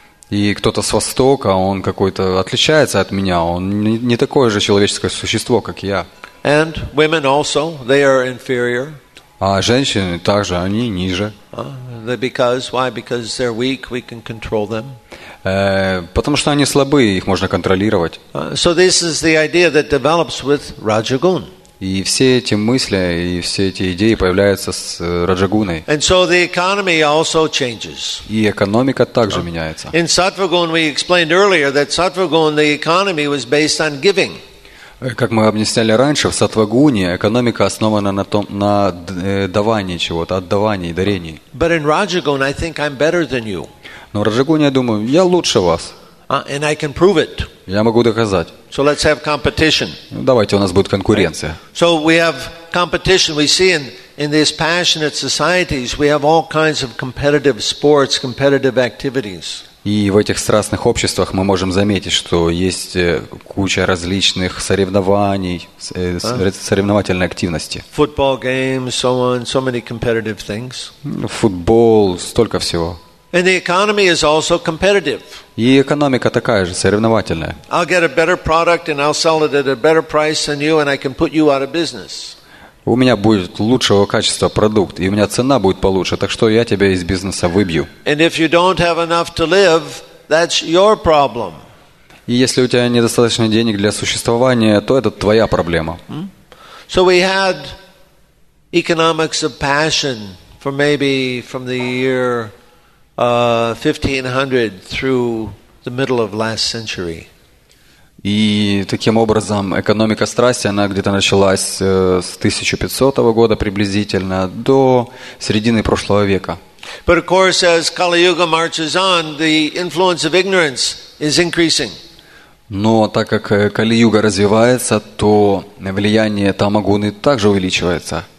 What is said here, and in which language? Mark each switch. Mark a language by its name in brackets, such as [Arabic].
[Russian] И кто-то с востока, он какой-то отличается от меня, он не такое же человеческое существо, как я. [English] And women also, they are inferior. [Russian] А женщины также, они ниже. [English] Because they're weak, we can control them. [Russian] Потому что они слабые, их можно контролировать. [English] So this is the idea that develops with Rajagun. [Russian] И все эти мысли и все эти идеи появляются с Раджагуной. [English] And so the economy also changes. [Russian] И экономика также меняется. [English] In Satvagun we explained earlier that Satvagun the economy was based on giving. [Russian] Как мы объясняли раньше, в Сатвагуне экономика основана на том, на давании чего-то, отдавании, дарении. [English] But in Rajagun I think I'm better than you. [Russian] Но в Раджагуне я думаю, я лучше вас. [English] And I can prove it. [Russian] Я могу доказать. [English] So let's have competition. [Russian] Давайте у нас будет конкуренция. [English] So we have competition. We see in these passionate societies we have all kinds of competitive sports, competitive activities. [Russian] И в этих страстных обществах мы можем заметить, что есть куча различных соревновательной активности. [English] Football games, so on, so many competitive things. [Russian] Футбол, столько всего. [English] And the economy is also competitive. [Russian] И экономика такая же, соревновательная. [English] I'll get a better product and I'll sell it at a better price than you and I can put you out of business. [Russian] У меня будет лучшего качества продукт, и у меня цена будет получше, так что я тебя из бизнеса выбью. [English] And if you don't have enough to live, that's your problem. [Russian] И если у тебя недостаточно денег для существования, то это твоя проблема. [English] So we had economics of passion for maybe from the year 1500 through the middle of last century. [Russian] И таким образом экономика страсти, она где-то началась с 1500 года приблизительно до середины прошлого века. [English] But of course, as Kali Yuga marches on, the influence of ignorance is increasing. [Russian] Но так как Кали-Юга развивается, то влияние Тамагуны также увеличивается.